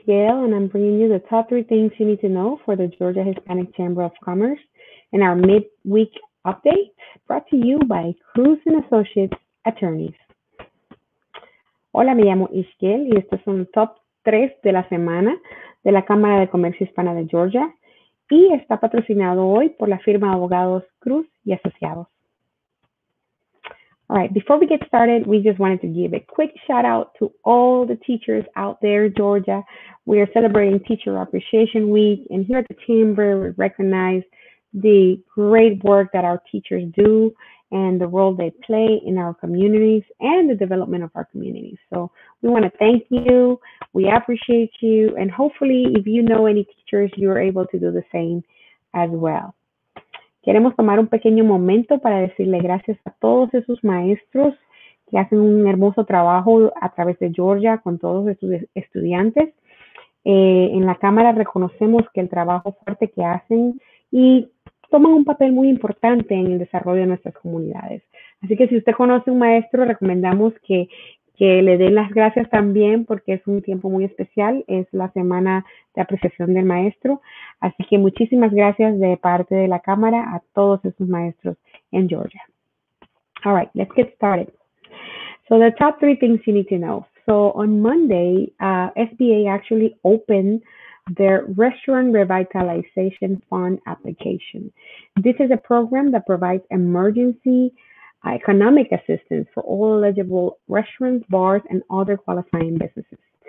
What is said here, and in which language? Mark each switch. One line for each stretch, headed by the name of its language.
English: Gail, and I'm bringing you the top three things you need to know for the Georgia Hispanic Chamber of Commerce and our midweek update brought to you by Cruz and Associates Attorneys.
Spanish: Hola, me llamo Ishkel y estos son top 3 de la semana de la Cámara de Comercio Hispana de Georgia y está patrocinado hoy por la firma de abogados Cruz y Asociados.
English: All right, before we get started, we just wanted to give a quick shout out to all the teachers out there in Georgia. We are celebrating Teacher Appreciation Week, and here at the Chamber, we recognize the great work that our teachers do and the role they play in our communities and the development of our communities. So we want to thank you, we appreciate you, and hopefully if you know any teachers, you're able to do the same as well.
Spanish: Queremos tomar un pequeño momento para decirle gracias a todos esos maestros que hacen un hermoso trabajo a través de Georgia con todos esos estudiantes. En la Cámara reconocemos que el trabajo fuerte que hacen y toman un papel muy importante en el desarrollo de nuestras comunidades. Así que si usted conoce un maestro, recomendamos que le den las gracias también porque es un tiempo muy especial. Es la semana de apreciación del maestro. Así que muchísimas gracias de parte de la Cámara a todos esos maestros en Georgia.
English: All right, let's get started. So the top three things you need to know. So on Monday, SBA actually opened their Restaurant Revitalization Fund application. This is a program that provides emergency economic assistance for all eligible restaurants, bars, and other qualifying businesses.